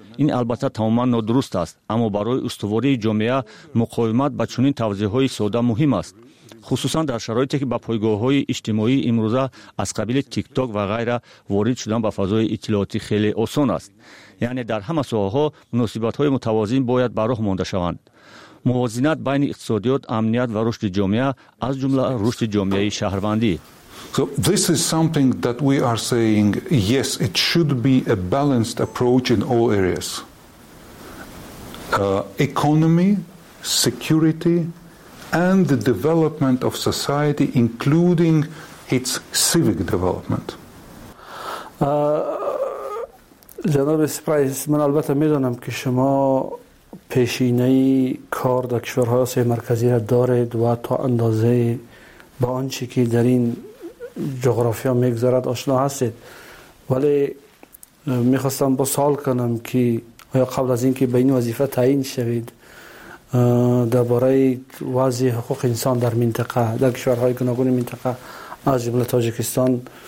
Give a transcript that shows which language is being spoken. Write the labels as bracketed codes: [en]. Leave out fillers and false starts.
[fa] این البته تماما نادرست است، اما برای استواری جامعه مقاومت به چنین توزیع های ساده مهم است، خصوصا در شرایطی که با پایگاه های اجتماعی امروزه از قبیل تیک تاک و غیره وارد شدن به فضای اطلاعاتی خیلی آسان است. یعنی در همه ساحه ها مناسبت های متوازن باید براه مانده شوند. موازنت بین اقتصادیات، امنیت و رشد جامعه از جمله رشد جامعه شهروندی. [en] So this is something that we are saying, yes, it should be a balanced approach in all areas. Economy, security and the development of society, including its civic development. [fa] جناب سپرایز، من البته میدونم که شما پیشینه کار در کشورهای آسیای مرکزی را دارید و تا اندازه با آنچه که در این جغرافیا میگذرد آشنا هستید، ولی میخواستم با سوال کنم که آیا قبل از اینکه به این وظیفه تعیین شوید درباره وضع حقوق انسان در منطقه، در کشورهای گوناگون منطقه از جمله تاجیکستان